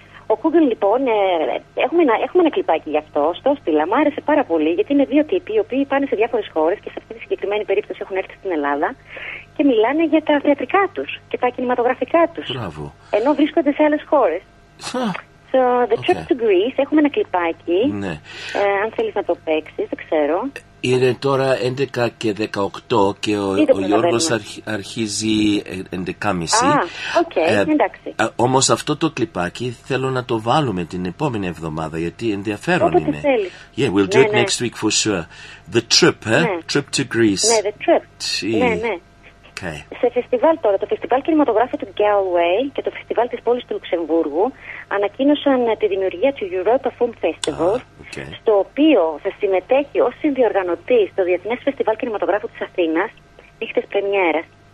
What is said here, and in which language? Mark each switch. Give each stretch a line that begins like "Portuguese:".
Greek: Ο Κούγκεν λοιπόν, έχουμε ένα κλιπάκι γι' αυτό, στο στήλα. Μου άρεσε πάρα πολύ γιατί είναι δύο τύποι οι οποίοι πάνε σε διάφορες χώρες και σε αυτή τη συγκεκριμένη περίπτωση έχουν έρθει στην Ελλάδα και μιλάνε για τα θεατρικά τους και τα κινηματογραφικά τους. Μπράβο. Ενώ βρίσκονται σε άλλες χώρες. So, The Trip to Greece, έχουμε ένα κλιπάκι, ναι. Αν θέλεις να το παίξεις, δεν ξέρω. Είναι τώρα 11 και 18 και ο Γιώργος αρχίζει 11.30. Εντάξει. Όμως αυτό το κλιπάκι θέλω να το βάλουμε την επόμενη εβδομάδα, γιατί ενδιαφέρον όποτε είναι. Θέλεις.
English: Yeah, we'll do it next week for sure. The Trip, eh?
Greek: Ναι.
English: Trip to Greece.
Greek: Ναι, The Trip. Σε φεστιβάλ τώρα, το φεστιβάλ κινηματογράφου του Galway και το φεστιβάλ της πόλης του Λουξεμβούργου ανακοίνωσαν τη δημιουργία του Europa Film Festival, στο οποίο θα συμμετέχει ως συνδιοργανωτής το Διεθνές Φεστιβάλ Κινηματογράφου της Αθήνας, νύχτες πρεμιέρας.